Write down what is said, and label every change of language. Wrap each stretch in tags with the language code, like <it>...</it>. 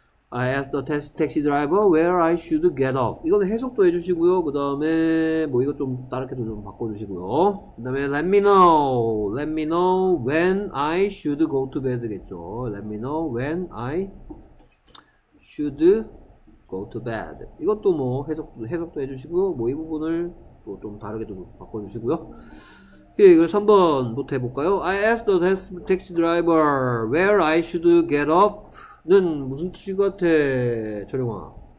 <en>I asked the taxi driver where I should get off.</en> <ko>이거는 해석도 해주시고요. 그 다음에 뭐 이거 좀 다르게도 좀 바꿔주시고요. 그 다음에</ko> <en>let me know. Let me know when I should go to bed겠죠. Let me know when I should go to bed.</en> <ko>이것도 뭐 해석도 해주시고요. 뭐 이 부분을 또 좀 다르게도 바꿔주시고요. 예, 그래서 3번부터 해볼까요?</ko> <en>I asked the taxi driver where I should get off.</en> <ko>는 무슨 뜻인 것 같아, 철영아?</ko>